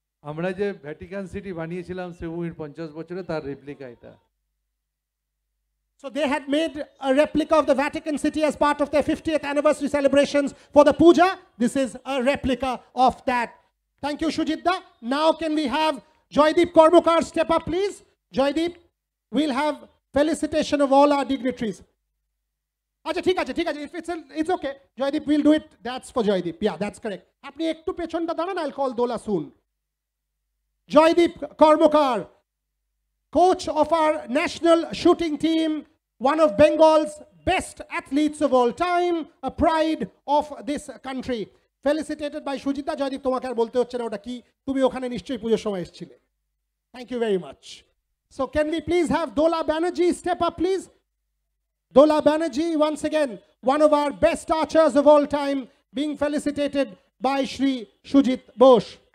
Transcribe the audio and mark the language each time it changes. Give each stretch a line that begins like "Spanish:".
Bangla: আমরা যে Vatican city বানিয়েছিলাম শ্রীভূমির 50 বছরে তার রেপ্লিকা এটা
English: So they had made a replica of the Vatican City as part of their 50th anniversary celebrations for the puja. This is a replica of that. Thank you, Shujitda. Now can we have Joydeep Kormukar step up, please? Joydeep, we'll have felicitation of all our dignitaries.
Bangla: আচ্ছা ঠিক আছে ঠিক আছে
English: if it's it's okay Joydeep will do it that's for Joydeep yeah that's correct
Bangla: আপনি একটু পেছনটা দাঁড়ান
English: I'll call Dola soon Joydeep Karmakar coach of our national shooting team one of Bengal's best athletes of all time a pride of this country felicitated by Sujita
Bangla: Joydeep তোমাকে আর বলতে হচ্ছে না ওটা কি তুমি ওখানে নিশ্চয়ই পুজোর সময় এসেছিলে
English: Thank you very much so can we please have Dola Banerjee step up please Dola Banerjee, once again, one of our best archers of all time, being felicitated by Shri Sujit Bose.